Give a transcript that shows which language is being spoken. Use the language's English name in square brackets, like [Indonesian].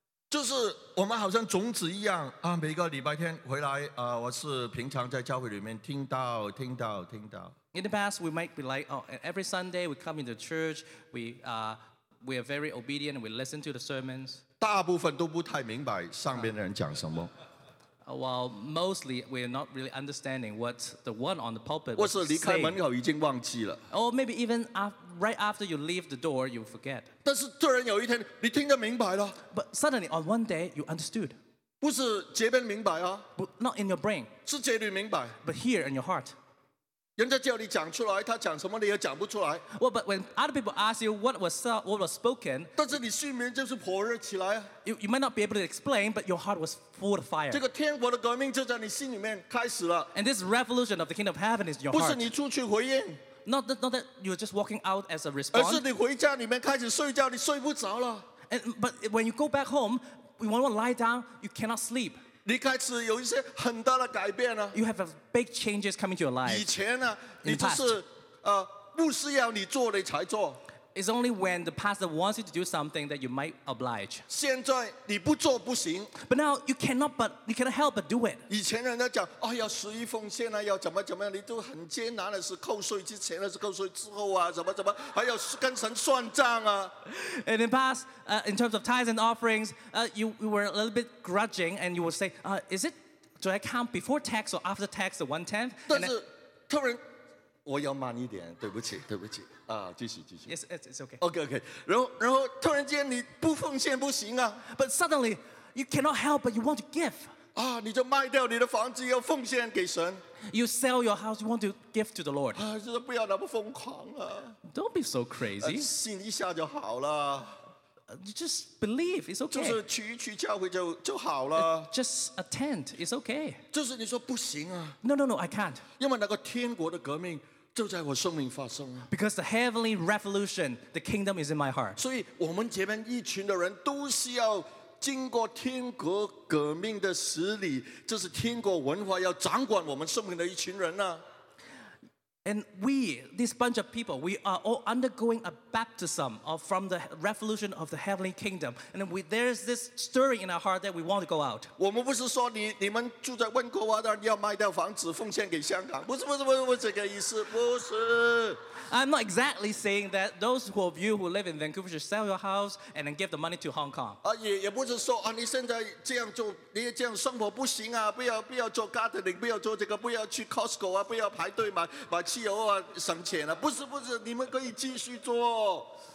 [Chinese] 就是我们好像种子一样啊，每个礼拜天回来啊，我是平常在教会里面听到。 [English] In the past, we might be like, oh, every Sunday we come into church, we are very obedient, we listen to the sermons. [Chinese] 大部分都不太明白上边的人讲什么。 [English] Well, mostly we are not really understanding what the one on the pulpit was saying. [Chinese] 或是离开门口已经忘记了。 [English] Or maybe even after, right after you leave the door, you forget. [Chinese] 但是突然有一天，你听得明白了。 [English] But suddenly, on one day, you understood. [Chinese] 不是这边明白啊。 [English] But not in your brain. [Chinese] 是这里明白。 [English] But here in your heart. [Chinese] 人家叫你讲出来，他讲什么你也讲不出来。 [English] Well, but when other people ask you what was spoken, [Chinese] 但是你睡眠就是火热起来啊。 [English] You might not be able to explain, but your heart was full of fire. [Chinese] 这个天国的革命就在你心里面开始了。 [English] And this revolution of the kingdom of heaven is in your heart. [Chinese] 不是你出去回应。 [English] Not that you're just walking out as a response. [Chinese] 而是你回家里面开始睡觉，你睡不着了。 [English] But when you go back home, you want to lie down, you cannot sleep. [Chinese] 你开始有一些很大的改变了。 [English] You have a big changes coming to your life. [Chinese] 以前呢，你就是牧师要你做的才做。 [English] It's only when the pastor wants you to do something that you might oblige. [Chinese] 现在你不做不行。 [English] But now you cannot help but do it. [Chinese] 以前人家讲，哎呀，十一奉献啊，要怎么怎么样，你都很艰难的是扣税之前，还是扣税之后啊，怎么怎么，还要跟神算账啊。 [English] And in the past, in terms of tithes and offerings, you were a little bit grudging, and you would say, do I count before tax or after tax the one tenth? [Chinese] 但是突然。我要慢一点，对不起，对不起。啊，继续。 [English] Yes, it's okay. Okay. [Chinese] 然后突然间你不奉献不行啊。 [English] But suddenly, you cannot help but you want to give. [Chinese] 啊，你就卖掉你的房子要奉献给神。 [English] You sell your house, you want to give to the Lord. [Chinese] 啊，就是不要那么疯狂啊。 [English] Don't be so crazy. [Chinese] 信一下就好了。 [English] You just believe, it's okay. [Chinese] 就是去一去教会就好了。 [English] Just attend, it's okay. [Chinese] 就是你说不行啊。 [English] No, I can't. [Chinese] 因为那个天国的革命就在我生命发生。 [English] Because the heavenly revolution, the kingdom is in my heart. [Chinese] 所以我们这边一群的人都是要经过天国革命的洗礼，就是天国文化要掌管我们生命的一群人啊。 [English] And we, this bunch of people, we are all undergoing a baptism from the revolution of the heavenly kingdom. And there is this stirring in our heart that we want to go out. [Chinese] 我们不是说你们住在温哥华的要卖掉房子奉献给香港，不是这个意思，不是。 [English] I'm not exactly saying that those of you who live in Vancouver should sell your house and then give the money to Hong Kong. [Chinese] 也不是说你现在这样做，你这样生活不行啊，不要做 gardening， 不要做这个，不要去 Costco 啊，不要排队买汽油啊，省钱啊，不是，你们可以继续做。